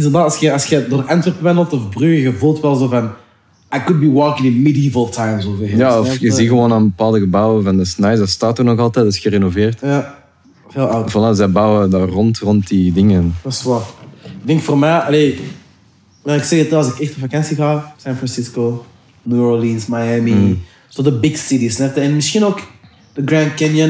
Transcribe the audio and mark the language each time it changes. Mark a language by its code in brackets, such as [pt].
[nl] Als je door Antwerpen wendelt of Brugge, je voelt wel zo van... [en] I could be walking in medieval times over here. [nl] Ja, of je ziet gewoon aan bepaalde gebouwen van, dat is nice. Dat staat er nog altijd, dat is gerenoveerd. Ja, veel oud. Voilà, ze bouwen daar rond die dingen. Dat is waar. Ik denk voor mij, allee... Maar ik zeg het, als ik echt op vakantie ga, San Francisco, New Orleans, Miami... Zo de big cities, net. En misschien ook de Grand Canyon.